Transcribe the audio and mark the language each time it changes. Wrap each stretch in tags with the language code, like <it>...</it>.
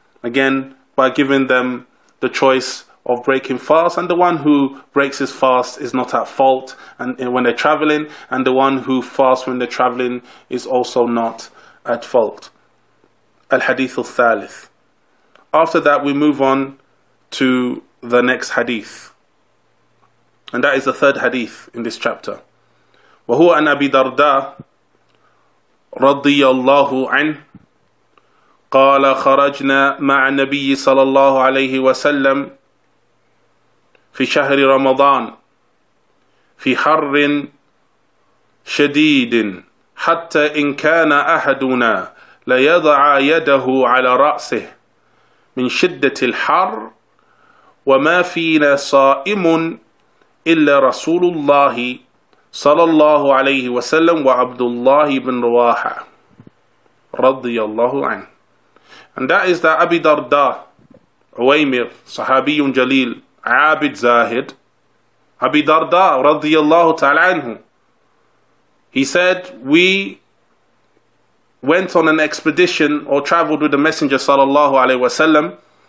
<en>Again, by giving them the choice of breaking fast, and the one who breaks his fast is not at fault and when they're traveling, and the one who fasts when they're traveling is also not at fault.</en> <ar>Al-Hadith al-Thalith.</ar> <en>After that, we move on to the next hadith. And that is the third hadith in this chapter.</en> <ar>وَهُوَ أَنْ أَبِي دَرْدَى رَضِيَ اللَّهُ عَنْهُ قَالَ خَرَجْنَا مَعَ النَّبِيِّ صَلَى اللَّهُ عَلَيْهِ وَسَلَّمْ في شهر رمضان في حر شديد حتى إن كان أحدنا ليضع يده على رأسه من شدة الحر وما فينا صائم إلا رسول الله صلى الله عليه وسلم وعبد الله بن رواحة رضي الله عنه.</ar> <en>And that is that Abi Darda, Uwaymir,</en> <ar>صحابي جليل,</ar> <en>Abid Zahid, Abi Darda radiyallahu ta'ala anhu, he said, we went on an expedition or traveled with the Messenger sallallahu alayhi wa sallam</en>